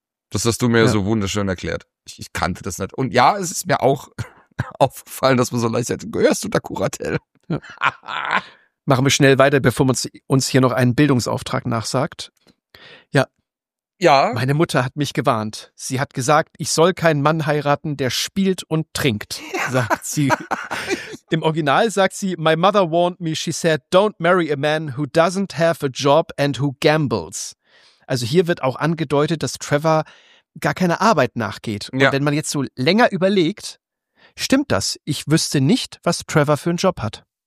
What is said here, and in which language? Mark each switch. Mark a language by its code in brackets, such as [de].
[de] Das hast du mir so wunderschön erklärt. Ich kannte das nicht. Und ja, es ist mir auch aufgefallen, dass man so leicht sagt, gehörst du da Kuratel? Ja. Machen wir schnell weiter, bevor man uns hier noch einen Bildungsauftrag nachsagt. Ja. Ja. Meine Mutter hat mich gewarnt. Sie hat gesagt, ich soll keinen Mann heiraten, der spielt und trinkt, sagt sie. Im Original sagt sie, [en] my mother warned me, she said, don't marry a man who doesn't have a job and who gambles. [de] Also hier wird auch angedeutet, dass Trevor gar keine Arbeit nachgeht. Und wenn man jetzt so länger überlegt, stimmt das? Ich wüsste nicht, was Trevor für einen Job hat.